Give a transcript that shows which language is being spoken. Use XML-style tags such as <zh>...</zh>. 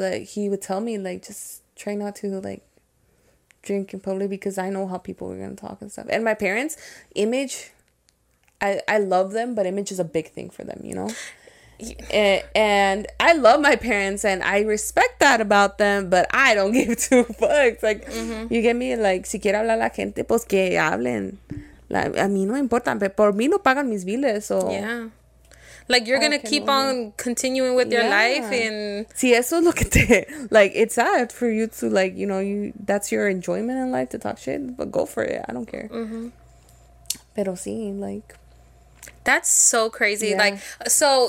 <en>Like he would tell me like, just try not to like drink in public because I know how people were going to talk and stuff. And my parents' image... I love them, but image is a big thing for them, you know? Yeah. And I love my parents, and I respect that about them, but I don't give two fucks. Like, mm-hmm. you get me?</en> <es>Like, si quiere hablar la gente, pues que hablen. Like, a mí no importa, pero por mí no pagan mis biles, so...</es> <en>Yeah. Like, you're going to keep on continuing with your yeah. life, and...</en> <es>Sí, eso es lo que te...</es> <en>Like, it's sad for you to, like, you know, you that's your enjoyment in life to talk shit, but go for it. I don't care. Mm-hmm.</en> <es>Pero sí, like...</es> <en>That's so crazy. Yeah. Like, so...</en>